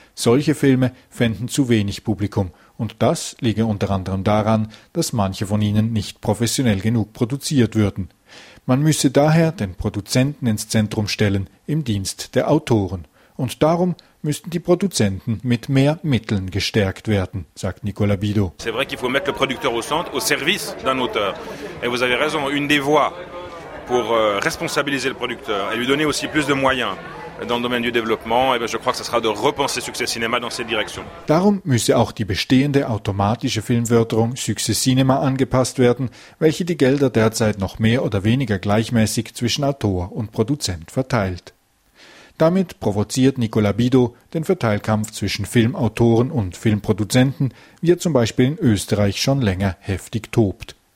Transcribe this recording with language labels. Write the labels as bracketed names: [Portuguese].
[German] Solche Filme fänden zu wenig Publikum. Und das liege unter anderem daran, dass manche von ihnen nicht professionell genug produziert würden. Man müsse daher den Produzenten ins Zentrum stellen, im Dienst der Autoren. Und darum müssten die Produzenten mit mehr Mitteln gestärkt werden, sagt Nicolas Bidot. [French] C'est vrai qu'il faut mettre le producteur au centre, au service d'un auteur. Et vous avez raison, une des voies pour responsabiliser le producteur et lui donner aussi plus de moyens dans le domaine du développement, et bien je crois que ce sera de repenser Succès Cinéma dans cette direction. [German] Darum müsse auch die bestehende automatische Filmförderung Succès Cinéma angepasst werden, welche die Gelder derzeit noch mehr oder weniger gleichmäßig zwischen Autor und Produzent verteilt. Damit provoziert Nicolas Bidot den Verteilkampf zwischen Filmautoren und Filmproduzenten, wie er zum Beispiel in Österreich schon länger heftig tobt.